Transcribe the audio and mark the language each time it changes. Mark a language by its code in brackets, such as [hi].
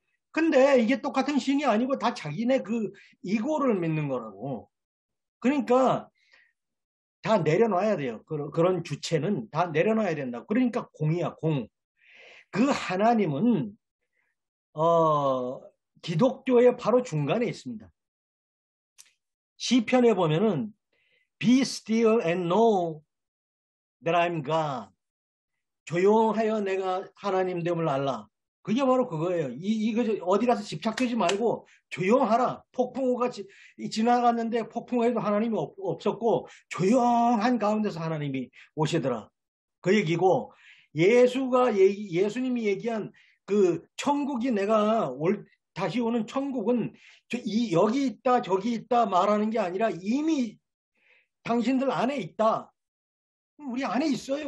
[ko] 근데 이게 똑같은 신이 아니고 다 자기네 그 이고를 믿는 거라고. 그러니까 다 내려놔야 돼요. 그런 주체는 다 내려놔야 된다. 그러니까 공이야, 공. 그 하나님은 기독교의 바로 중간에 있습니다. 시편에 보면은 [en] Be still and know that I'm God. [ko] 조용하여 내가 하나님 됨을 알라. 그게 바로 그거예요. 이거 어디 가서 집착되지 말고 조용하라. 폭풍우가 지나갔는데 폭풍우에도 하나님이 없었고, 조용한 가운데서 하나님이 오시더라. 그 얘기고, 예수님이 얘기한 그 천국이, 내가 다시 오는 천국은 여기 있다, 저기 있다 말하는 게 아니라 이미 당신들 안에 있다. 우리 안에 있어요.